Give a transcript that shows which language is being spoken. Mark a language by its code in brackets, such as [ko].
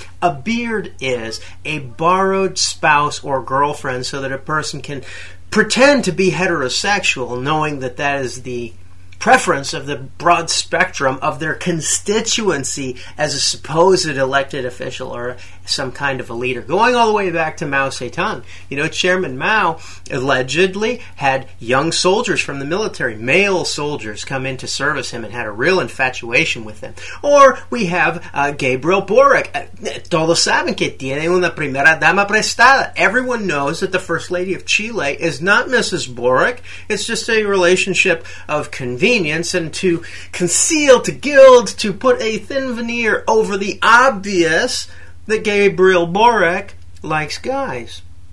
[en] A beard is a borrowed spouse or girlfriend so that a person can pretend to be heterosexual, knowing that that is the preference of the broad spectrum of their constituency as a supposed elected official or some kind of a leader. Going all the way back to Mao Zedong, you know, Chairman Mao allegedly had young soldiers from the military, male soldiers, come in to service him and had a real infatuation with them. Or we have Gabriel Boric. [es] Todos saben que tiene una primera dama prestada. [en] Everyone knows that the First Lady of Chile is not Mrs. Boric. It's just a relationship of convenience and to conceal, to gild, to put a thin veneer over the obvious that Gabriel Boric likes guys.